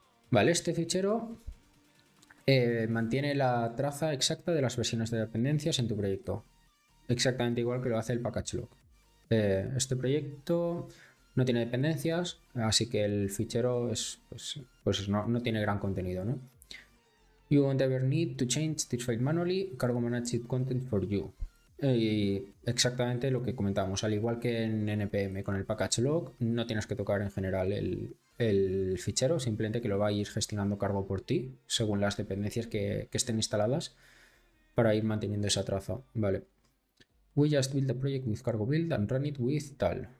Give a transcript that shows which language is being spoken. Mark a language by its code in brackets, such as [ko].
[es] Vale, este fichero mantiene la traza exacta de las versiones de dependencias en tu proyecto. Exactamente igual que lo hace el package lock. Este proyecto no tiene dependencias, así que el fichero no tiene gran contenido, ¿no? [en] You won't ever need to change this file manually. Cargo managed content for you. [es] Y exactamente lo que comentábamos, al igual que en NPM con el package lock, no tienes que tocar en general el fichero, simplemente que lo va a ir gestionando cargo por ti, según las dependencias que estén instaladas, para ir manteniendo esa traza. Vale. [en] We just build a project with cargo build and run it with tal.